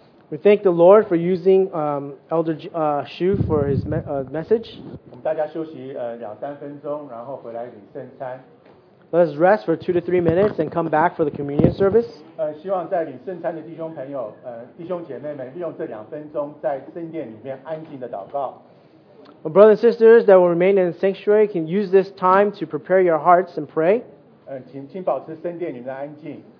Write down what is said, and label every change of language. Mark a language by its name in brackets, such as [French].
[English] We thank the Lord for using Elder Xu for his message. [Chinese] 我们大家休息两三分钟，然后回来领圣餐。 [English] Let us rest for 2 to 3 minutes and come back for the communion service. [Chinese] 希望在领圣餐的弟兄朋友、弟兄姐妹们，利用这两分钟在圣殿里面安静的祷告。 [English] Well, brothers and sisters that will remain in the sanctuary can use this time to prepare your hearts and pray. [Chinese] 请保持圣殿里面的安静。